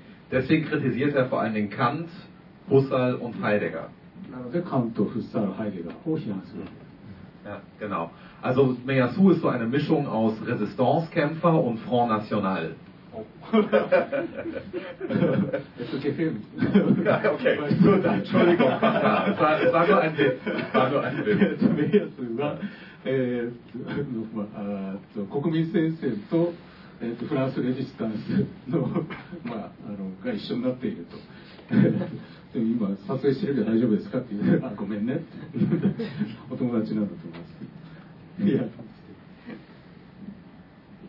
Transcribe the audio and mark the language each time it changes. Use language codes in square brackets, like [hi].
[de] Deswegen kritisiert er vor allen Dingen Kant, Husserl und Heidegger. [ja] なので、カント、フッサル、ハイデガーを批判する。 [de] Ja, genau. Also Meyersou ist so eine Mischung aus Resistance-Kämpfer und Front National. Es ist gefilmt. Okay, gut, Entschuldigung. Sag nur ein Bild. Meyersou war France Resistance [ja] の、まあ、あの、が一緒になっていると。でも今、撮影してるけど大丈夫ですかって言って、あ、ごめんね。お友達なんだと思います。